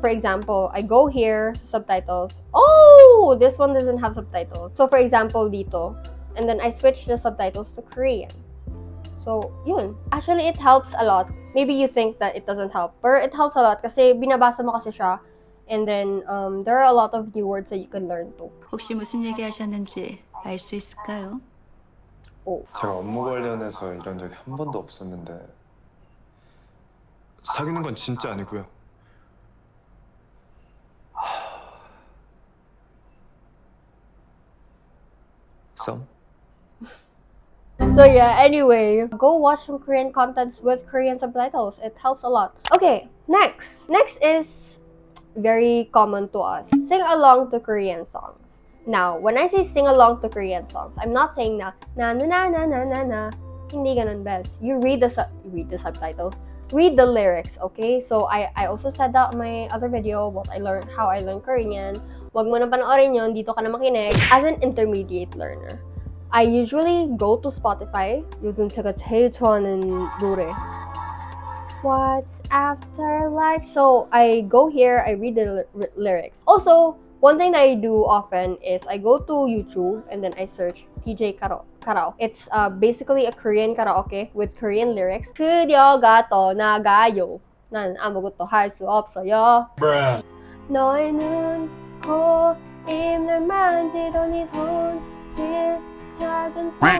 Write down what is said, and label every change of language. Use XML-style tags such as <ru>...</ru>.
<en>For example, I go here, subtitles. Oh, this one doesn't have subtitles. So for example, dito. And then I switch the subtitles to Korean.</en> <tl>So, yun.</tl> <en>Actually, it helps a lot. Maybe you think that it doesn't help, but it helps a lot</en> <tl>kasi binabasa mo kasi siya.</tl> <en>And then there are a lot of new words that you can learn too.</en> <ko>혹시 무슨 얘기 하셨는지 알 수 있을까요? 오. 제가 업무 관련해서 이런 적이 한 번도 없었는데 사귀는 건 진짜 아니고요. 썸?</ko> <en>So yeah, anyway, go watch some Korean contents with Korean subtitles. It helps a lot. Okay, next. Next is very common to us. Sing along to Korean songs. Now, when I say sing along to Korean songs, I'm not saying na na na na na na na na.</en> <tl>Hindi ganun best.</tl> <en>You read the subtitles. Read the lyrics, okay? So I also said that in my other video, what I learned, how I learned Korean.</en> <tl>Huwag mo na panoorin yun, dito ka na makinig.</tl> <en>As an intermediate learner, I usually go to Spotify.</en> <ko>요즘 제가 제일 좋아하는 노래.</ko> <en>What's afterlife? So I go here, I read the lyrics. Also, one thing that I do often is I go to YouTube and then I search TJ Karaoke. It's basically a Korean karaoke with Korean lyrics.</en> <ko>그녀가 떠나가요. 난 아무것도 할 수 없어요.</ko> <en>Bruh.</en> <ko>너의 눈, 코, 입술만 지던 이 손, 작은 소리.</ko>